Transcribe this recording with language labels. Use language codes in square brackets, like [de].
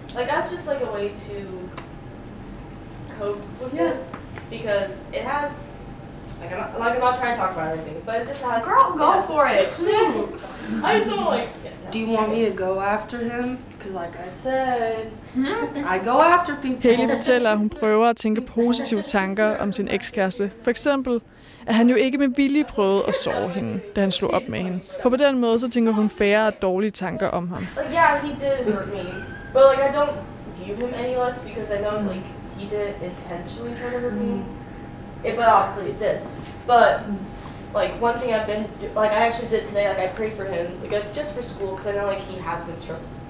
[en] Like, that's just, like, a way to cope with yeah. it. Because it has, like, I'm not trying to talk about anything, but it just has... Girl, go has, for it! Like, I just don't, like... Yeah, no. Do you want me to go after him? Because, like I said... I go after people. [da] Haley fortæller, at hun prøver at tænke positive tanker om sin ekskæreste. For eksempel, at han jo ikke med vilje prøvede at sove hende, da han slog op med hende. For på den måde, så tænker hun færre og dårlige tanker om ham. [en] Like, yeah, he did hurt me. But, like, I don't view him any less, because I know, like, he did intentionally try to hurt me. It, but obviously, it did. But, like, one thing I've been... Like, I actually did today, like, I prayed for him. Like, just for school, because I know, like, he has been stressed.